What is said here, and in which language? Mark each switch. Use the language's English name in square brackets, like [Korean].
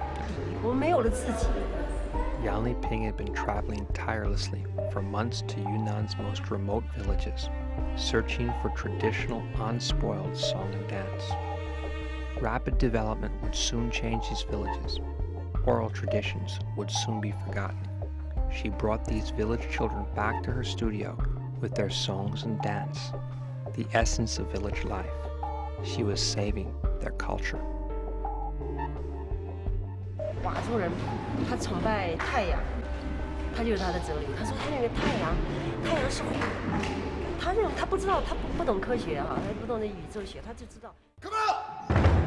[Chinese] 贴近自然，贴近人性本身，生命本身是最有说服力的，而不是一个空谈的哲理。那么舞蹈本身也是这样，如果我们脱离了这个，我们就轻了，我们没有分量，我们没有一个后证，没有一个底蕴，我们没有了自己。Yang [English] Liping had been traveling tirelessly for months to Yunnan's most remote villages, searching for traditional unspoiled song and dance. Rapid development would soon change these villages. Oral traditions would soon be forgotten. She brought these village children back to her studio with their songs and dance, the essence of village life. She was saving their culture. [Chinese] 佤族人，他崇拜太阳，他就是他的哲理。他说他那个太阳，太阳是，他那种他不知道，他不懂科学哈，他不懂那宇宙学，他就知道。